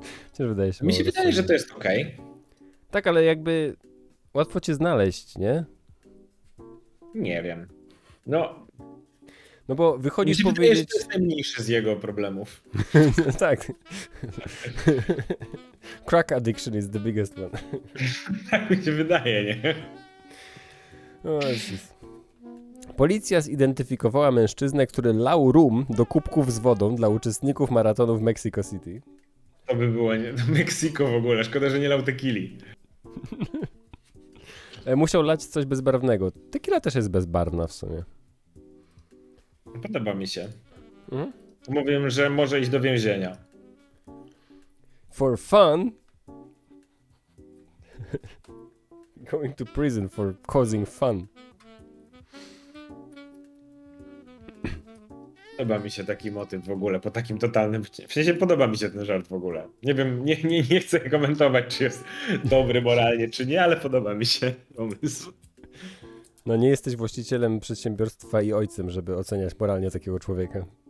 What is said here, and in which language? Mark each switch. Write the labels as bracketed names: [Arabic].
[Polish] Chociaż wydaje się... Mi się wydaje, że to jest ok. Tak, ale jakby łatwo cię znaleźć, nie? Nie wiem. No... No bo wychodzisz się powiedzieć... Wydaje, że to jest najmniejszy z jego problemów. Tak. [English] Crack addiction is the biggest one. [Polish] Tak mi się wydaje, nie? O, Jezus. Policja zidentyfikowała mężczyznę, który lał rum do kubków z wodą dla uczestników maratonu w Mexico City. To by było nie... do Meksyku w ogóle. Szkoda, że nie lał tequili. Musiał lać coś bezbarwnego. Tequila też jest bezbarwna w sumie. Podoba mi się. Mhm. Mówiłem, że może iść do więzienia. [English] For fun? Going to prison for causing fun. [Polish] Podoba mi się taki motyw w ogóle, po takim totalnym... W sensie podoba mi się ten żart w ogóle. Nie wiem, nie chcę komentować, czy jest dobry moralnie, czy nie, ale podoba mi się pomysł. No nie jesteś właścicielem przedsiębiorstwa i ojcem, żeby oceniać moralnie takiego człowieka.